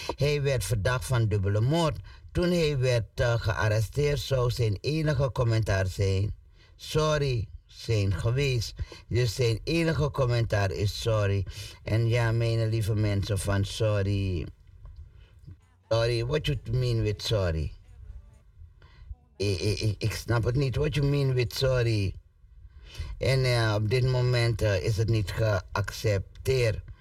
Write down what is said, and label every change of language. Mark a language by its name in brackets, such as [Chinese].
[Dutch] Hij werd verdacht van dubbele moord. Toen hij werd gearresteerd zou zijn enige commentaar zijn, sorry. Zijn geweest. Dus zijn enige commentaar is sorry. En ja, mijn lieve mensen van sorry. [English] Sorry, what you mean with sorry? [Dutch] Ik snap het niet. [English] What you mean with sorry? [Dutch] En op dit moment is het niet geaccepteerd.